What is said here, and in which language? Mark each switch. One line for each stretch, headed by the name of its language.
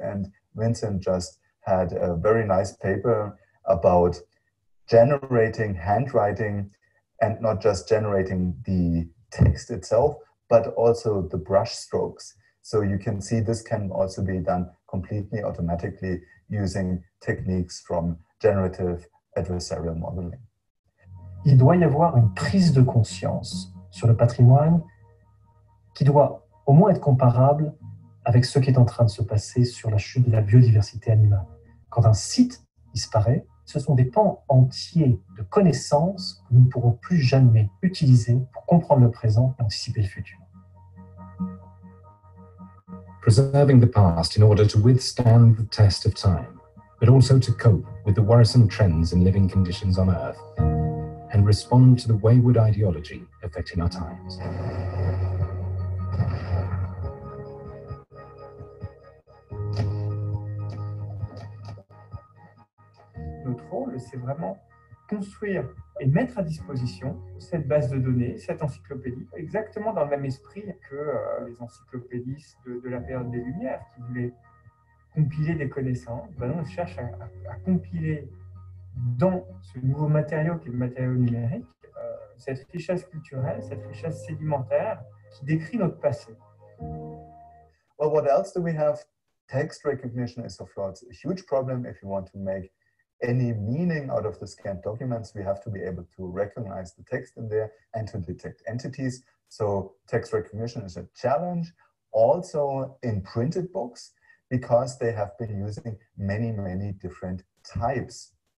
English: And Vincent just had a very nice paper about generating handwriting and not just generating the text itself, but also the brush strokes. So you can see this can also be done completely automatically using techniques from generative adversarial modeling.
French: Il doit y avoir une prise de conscience sur le patrimoine qui doit au moins être comparable avec ce qui est en train de se passer sur la chute de la biodiversité animale. Quand un site disparaît, ce sont des pans entiers de connaissances que nous ne pourrons plus jamais utiliser pour comprendre le présent et anticiper le futur.
English: Preserving the past in order to withstand the test of time, but also to cope with the worrisome trends in living conditions on Earth and respond to the wayward ideology affecting our times.
French: Notre rôle, c'est vraiment construire et mettre à disposition cette base de données, cette encyclopédie, exactement dans le même esprit que les encyclopédies de la période des Lumières, qui voulaient compiler des connaissances. Ben, on cherche à compiler dans ce nouveau matériau qui est le matériau numérique, cette richesse culturelle, cette richesse sédimentaire qui décrit notre passé.
English: Well, what else do we have? Text recognition is of course a huge problem if you want to make any meaning out of the scanned documents. We have to be able to recognize the text in there and to detect entities. So text recognition is a challenge. Also in printed books, because they have been using many, many different types.